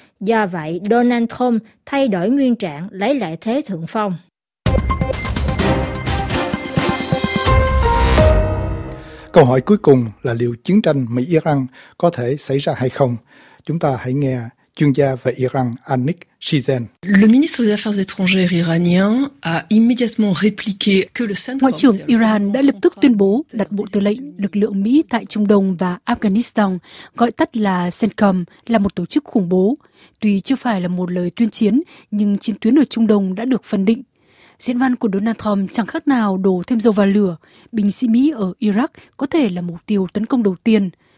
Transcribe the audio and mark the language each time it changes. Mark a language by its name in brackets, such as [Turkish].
[Vietnamese] Do vậy, Donald Trump thay đổi nguyên trạng, lấy lại thế thượng phong. Câu hỏi cuối cùng là liệu chiến tranh Mỹ-Iran có thể xảy ra hay không? Chúng ta hãy nghe chuyên gia về Iran Anik Shizen. [French] Le ministre des Affaires étrangères iranien a immédiatement répliqué que le centre. [Vietnamese] Ngoại trưởng Iran đã lập tức tuyên bố đặt bộ tư lệnh lực lượng Mỹ tại Trung Đông và Afghanistan, gọi tắt là CENTCOM, là một tổ chức khủng bố. Tuy chưa phải là một lời tuyên chiến, nhưng chiến tuyến ở Trung Đông đã được phân định. Diễn văn của Donald Trump chẳng khác nào đổ thêm dầu vào lửa. Binh sĩ Mỹ ở Iraq có thể là mục tiêu tấn công đầu tiên.